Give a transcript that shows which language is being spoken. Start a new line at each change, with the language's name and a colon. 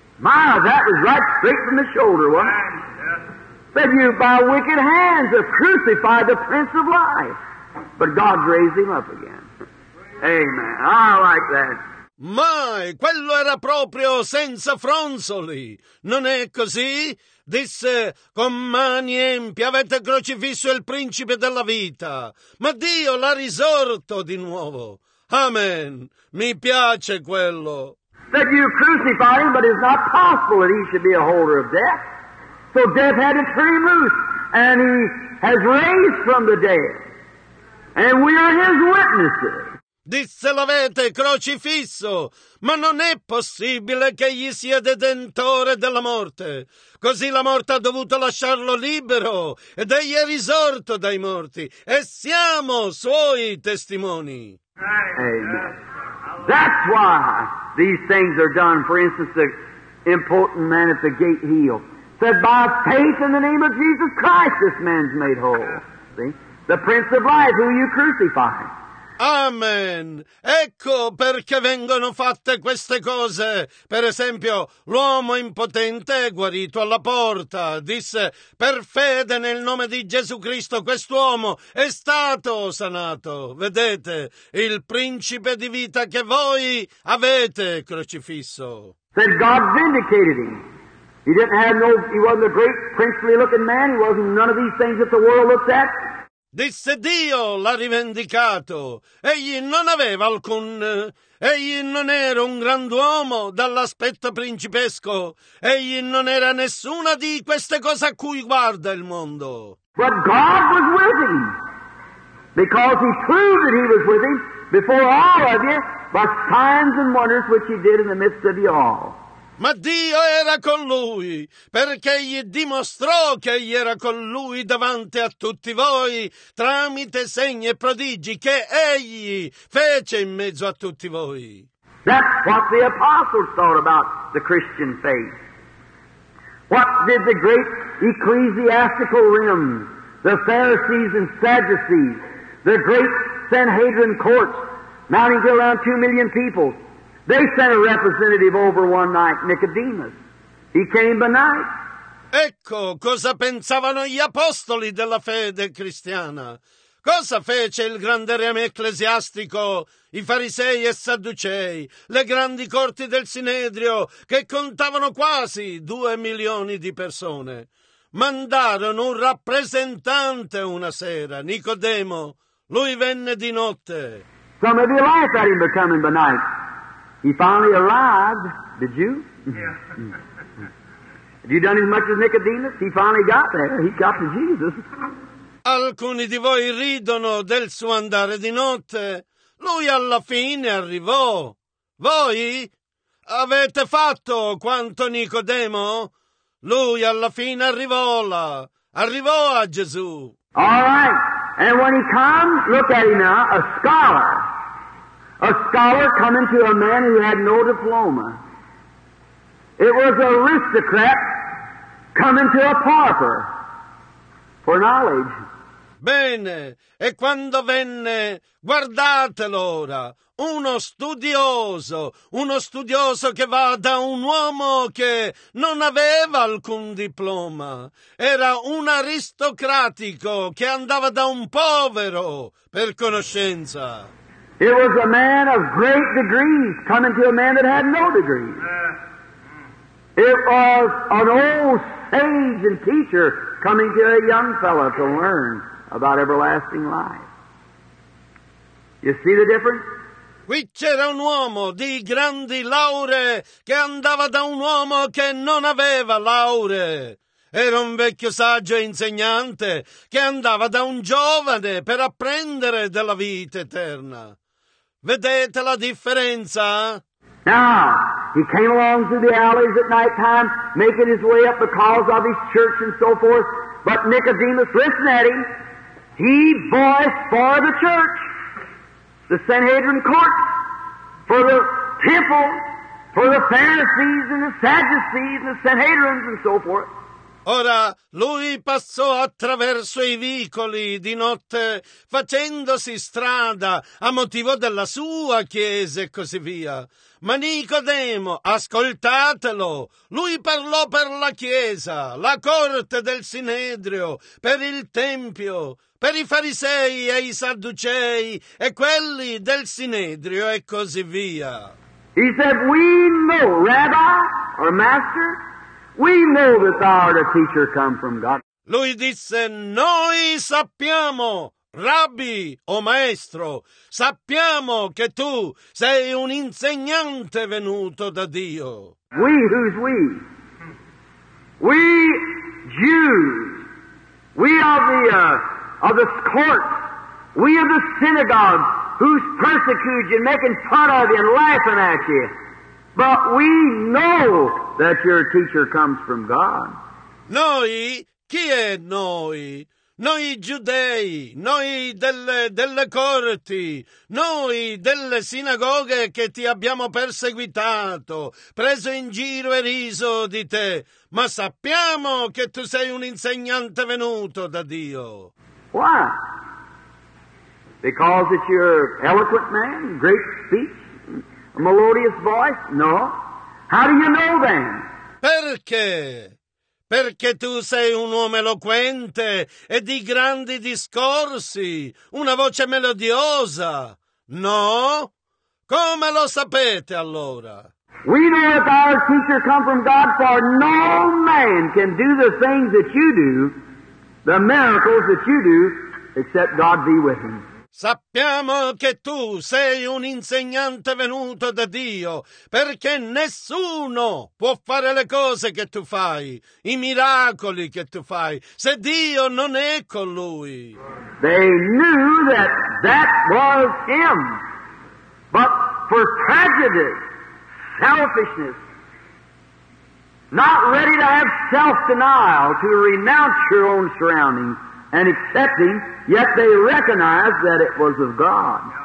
English: My, that was right straight from the shoulder, wasn't it? That you by wicked hands have crucified the Prince of Life, but God raised him up again. Amen. I like that.
Italian: Mai, quello era proprio senza fronzoli. Non è così? Disse, con mani empie avete crocifisso il principe della vita, ma Dio l'ha risorto di nuovo. Amen. Mi piace quello.
English: That you crucified him, but it's not possible that he should be a holder of death. So death had to turn him loose, and he has raised from the dead. And we are his witnesses.
Italian: Disse, l'avete crocifisso, ma non è possibile che egli sia detentore della morte. Così la morte ha dovuto lasciarlo libero, ed egli è risorto dai morti, e siamo suoi testimoni. Amen.
English: That's why these things are done. For instance, the important man at the gate healed. Said, by faith in the name of Jesus Christ, this man's made whole. See? The Prince of Life, who you crucified. Amen.
Italian: Ecco perché vengono fatte queste cose. Per esempio, l'uomo impotente è guarito alla porta. Disse, per fede nel nome di Gesù Cristo, quest'uomo è stato sanato. Vedete, il principe di vita che voi avete crocifisso.
English: Said God vindicated him. He didn't have no, he wasn't a great princely looking man. He wasn't none of these things that the world looked at.
Italian: Disse Dio l'ha rivendicato. Egli non aveva alcun. Egli non era un grand'uomo dall'aspetto principesco. Egli non era nessuna di queste cose a cui guarda il mondo.
English: But God was with him. Because he proved that he was with him before all of you by signs and wonders which he did in the midst of you all.
Italian: Ma Dio era con lui, perché gli dimostrò che egli era con lui davanti a tutti voi, tramite segni e prodigi che egli fece in mezzo a tutti voi.
English: That's what the apostles thought about the Christian faith. What did the great ecclesiastical realm, the Pharisees and Sadducees, the great Sanhedrin courts, mounting to around 2 million people, they sent a representative over one night, Nicodemus. He came by night.
Italian: Ecco cosa pensavano gli apostoli della fede cristiana. Cosa fece il grande reame ecclesiastico, i farisei e sadducei, le grandi corti del Sinedrio, che contavano quasi 2 milioni di persone? Mandarono un rappresentante una sera, Nicodemo. Lui venne di notte.
English: Some of you laughed at him coming by night. He finally arrived, did you? Yeah. Have you done as much as Nicodemus? He finally got there. He got to Jesus.
Italian: Alcuni di voi ridono del suo andare di notte. Lui alla fine arrivò. Voi avete fatto quanto Nicodemo? Lui alla fine arrivò là. Arrivò a Gesù.
English: All right. And when he comes, look at him now, a scholar. A scholar coming to a man who had no diploma. It was an aristocrat coming to a pauper for knowledge.
Italian: Bene, e quando venne, guardatelo ora, uno studioso che va da un uomo che non aveva alcun diploma. Era un aristocratico che andava da un povero per conoscenza.
English: It was a man of great degrees coming to a man that had no degree. It was an old sage and teacher coming to a young fellow to learn about everlasting life. You see the difference?
Italian: Qui c'era un uomo di grandi lauree che andava da un uomo che non aveva lauree. Era un vecchio saggio insegnante che andava da un giovane per apprendere della vita eterna. Vedete la differenza?
English: Now, he came along through the alleys at night time, making his way up because of his church and so forth. But Nicodemus, listen at him, he voiced for the church, the Sanhedrin court, for the temple, for the Pharisees and the Sadducees and the Sanhedrins and so forth.
Italian: Ora, lui passò attraverso i vicoli di notte, facendosi strada a motivo della sua chiesa e così via. Ma Nicodemo, ascoltatelo, lui parlò per la chiesa, la corte del Sinedrio, per il Tempio, per i farisei e i sadducei e quelli del Sinedrio e così via.
English: He said, we know, Rabbi, or Master, we know that thou art a teacher come from God.
Italian: Lui disse, noi sappiamo, Rabbi o Maestro, sappiamo che tu sei un insegnante venuto da Dio.
English: We, who's we? We Jews. We are the court. We are the synagogue who's persecuting you, making fun of you and laughing at you. But we know that your teacher comes from God.
Italian: Noi? Chi è noi? Noi giudei, noi delle corti, noi delle sinagoghe che ti abbiamo perseguitato, preso in giro e riso di te, ma sappiamo che tu sei un insegnante venuto da Dio.
English: Why? because that you're an eloquent man, great speech, a melodious voice? No. How do you know then?
Italian: Perché? Perché tu sei un uomo eloquente e di grandi discorsi, una voce melodiosa. No? Come lo sapete allora?
English: We know if our teacher come from God, for no man can do the things that you do, the miracles that you do, except God be with him.
Italian: Sappiamo che tu sei un insegnante venuto da Dio, perché nessuno può fare le cose che tu fai, i miracoli che tu fai, se Dio non è con lui.
English: They knew that that was him, but for tragedy, selfishness, not ready to have self-denial, to renounce your own surroundings and accepting, yet they recognized that it was of God.